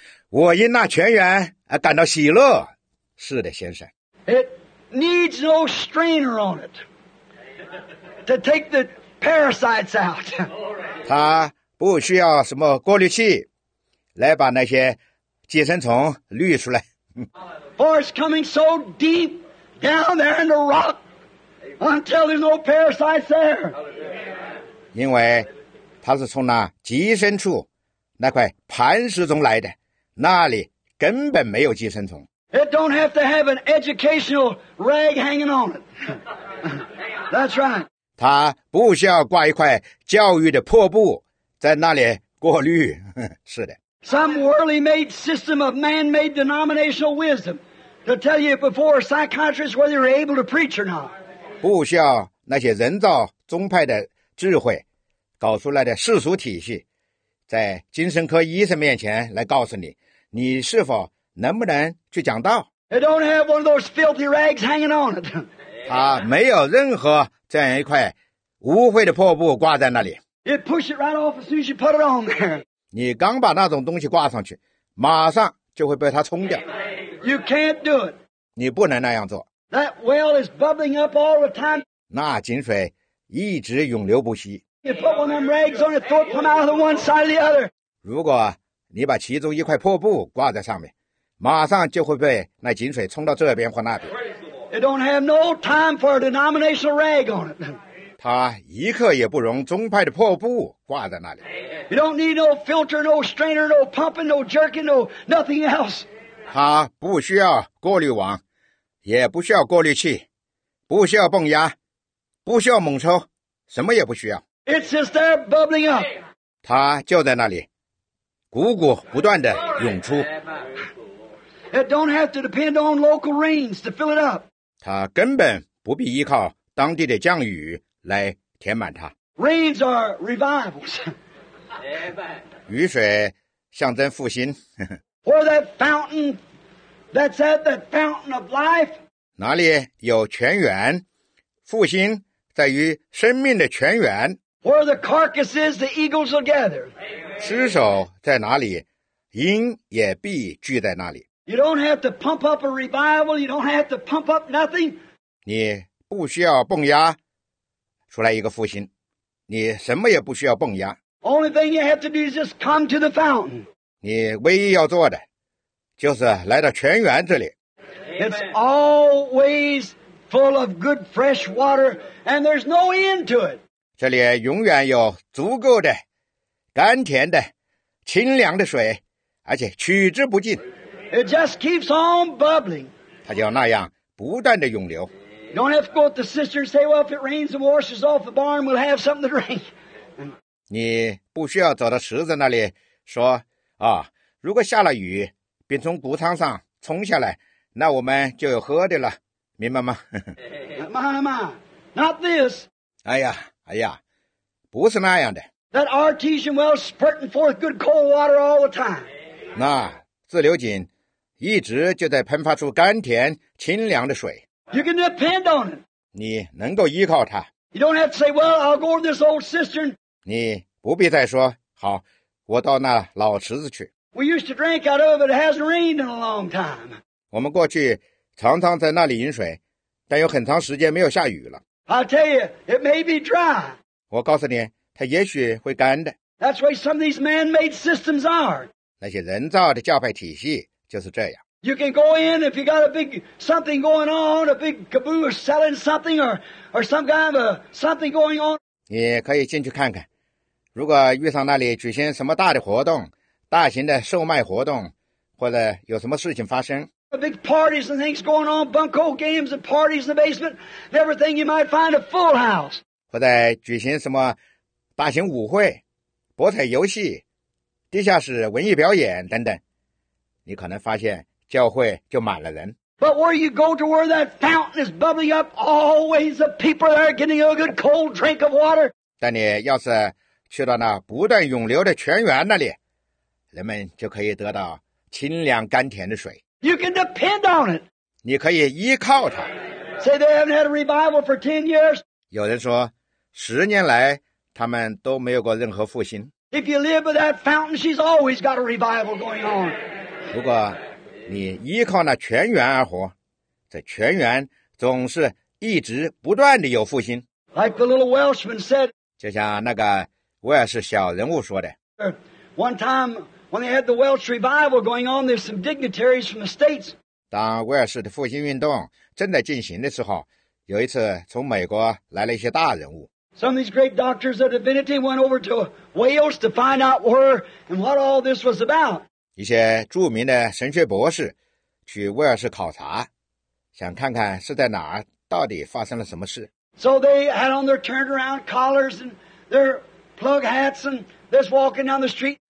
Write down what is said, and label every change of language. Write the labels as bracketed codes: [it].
[zh] 我因那泉源而感到喜乐。是的，先生。 [en] It needs no strainer on it to take the parasites out. [zh] 它不需要什么过滤器来把那些寄生虫滤出来。 [en] For it's coming so deep down there in the rock until there's no parasites there. [zh] 因为它是从那极深处那块磐石中来的，那里根本没有寄生虫。 [en] It don't have to have an educational rag hanging on it. That's right. [zh] 它不需要挂一块教育的破布在那里过滤。是的。 [en] Some worldly made system of man-made denominational wisdom to tell you before psychiatrists whether you're able to preach or not. [zh] 不需要那些人造宗派的智慧搞出来的世俗体系在精神科医生面前来告诉你你是否能不能去讲道。 [en] It don't have one of those filthy rags hanging on it. [zh] 它没有任何这样一块污秽的破布挂在那里。 [en] It push it right off as soon as you put it on there. [zh] 你刚把那种东西挂上去，马上就会被它冲掉。 [en] You can't do it. [zh] 你不能那样做。 [en] That well is bubbling up all the time. [zh] 那井水一直涌流不息。 [en] You put one of them rags on it, throw it from out of one side of the other. [zh] 如果你把其中一块破布挂在上面，马上就会被那井水冲到这边或那边。 [en] It don't have no time for a denominational rag on it. [zh] 它一刻也不容宗派的破布挂在那里。 [en] You don't need no filter, no strainer, no pumping, no jerking, no nothing else. [zh] 它不需要过滤网，也不需要过滤器，不需要泵压，不需要猛抽，什么也不需要。 [en] It's just there bubbling up. [zh] 它就在那里，汩汩不断地涌出。 [en] It don't have to depend on local rains to fill it up. [zh] 它根本不必依靠当地的降雨来填满它。 [en] Rains are revivals. [zh] 雨水象征复兴。 [en] Where that fountain, that's at that fountain of life. [zh] 哪里有泉源，复兴在于生命的泉源。 [en] Where the carcass is, the eagles will gather. [zh] 尸首在哪里，鹰也必聚在那里。 [en] You don't have to pump up a revival. You don't have to pump up nothing. [zh] 你不需要泵压出来一个复兴，你什么也不需要泵压。 [en] Only thing you have to do is just come to the fountain. [zh] 你唯一要做的就是来到泉源这里。 [en] It's always full of good fresh water, and there's no end to it. [zh] 这里永远有足够的甘甜的清凉的水，而且取之不尽。 [en] It just keeps on bubbling. [zh] 它就那样不断的涌流。 [en] You don't have to quote the sisters say, well, if it rains and washes off the barn, we'll have something to drink. [zh] 你不需要走到池子那里说啊，如果下了雨并从谷仓上冲下来，那我们就有喝的了，明白吗？ [en] Not this. [zh] 哎呀哎呀，不是那样的。 [en] That artesian well spurting forth good cold water all the time. [zh] 那自流井一直就在喷发出甘甜清凉的水。 [en] You can depend on it. [zh] 你能够依靠它。 [en] You don't have to say, well, I'll go to this old cistern. [zh] 你不必再说，好，我到那老池子去。 [en] We used to drink out of it. It hasn't rained in a long time. [zh] 我们过去常常在那里饮水，但有很长时间没有下雨了。 [en] I'll tell you, it may be dry. [zh] 我告诉你，它也许会干的。 [en] That's why some of these man-made systems are. [zh] 那些人造的教派体系就是这样。 [en] You can go in if you got a big something going on, a big caboose selling something, or some kind of a something going on. [zh] 你可以进去看看，如果遇上那里举行什么大的活动，大型的售卖活动，或者有什么事情发生。 [en] A big parties and things going on, bunko games and parties in the basement, and everything you might find a full house. [zh] 或者举行什么大型舞会、博彩游戏、地下室文艺表演等等，你可能发现教会就满了人。 [en] But where you go to where that fountain is bubbling up, always the people there getting a good cold drink of water. [zh] 但你要是去到那不断涌流的泉源那里，人们就可以得到清凉甘甜的水。 [en] You can depend on it. [zh] 你可以依靠它。 [en] Say they haven't had a revival for 10 years. [zh] 有人说，十年来他们都没有过任何复兴。 [en] If you live with that fountain, she's always got a revival going on. [zh] 如果你依靠那泉源而活，这泉源总是一直不断地有复兴。 [en] Like the little Welshman said. [zh] 就像那个威尔士小人物说的。 [en] One time when they had the Welsh revival going on, there's some dignitaries from the States. [zh] 当威尔士的复兴运动正在进行的时候，有一次从美国来了一些大人物。 [en] Some of these great doctors of divinity went over to Wales to find out where and what all this was about. [zh] 一些著名的神学博士去威尔士考察，想看看是在哪儿到底发生了什么事。 [en] So they had on their turnaround collars and their plug hats and just walking down the street.